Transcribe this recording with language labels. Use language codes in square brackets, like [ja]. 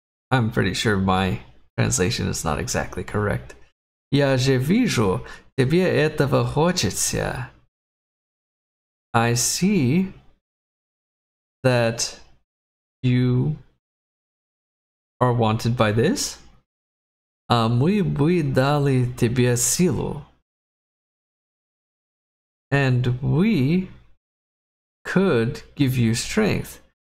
[en] I'm pretty sure my translation is not exactly correct. [ru] Я же вижу, тебе этого хочется. [en] I see that you are wanted by this? [ru] Мы бы дали тебе силу. [en] And we could give you strength.